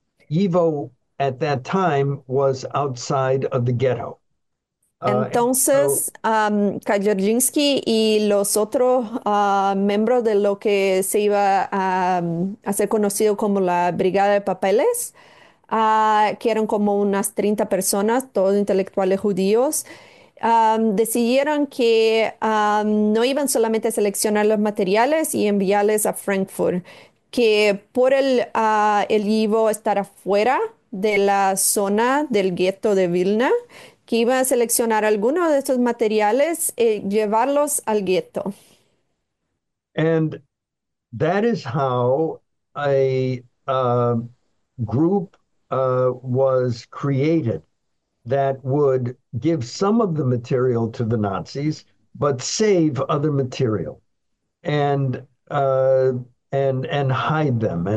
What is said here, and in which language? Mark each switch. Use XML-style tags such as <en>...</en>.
<en>YIVO at that time was outside of the ghetto.</en> <es>Entonces, Kajerzynski y los otros miembros de lo que se iba a ser conocido como la Brigada de Papeles, que eran como unas 30 personas, todos intelectuales judíos, Decidieron que no iban solamente a seleccionar los materiales y enviarles a Frankfurt, que por el IVO estar afuera de la zona del gueto de Vilna, que iban a seleccionar algunos de estos materiales y llevarlos al gueto.</es> <en>And that is how a group was created that would give some of the material to the Nazis, but save other material and hide them.</en>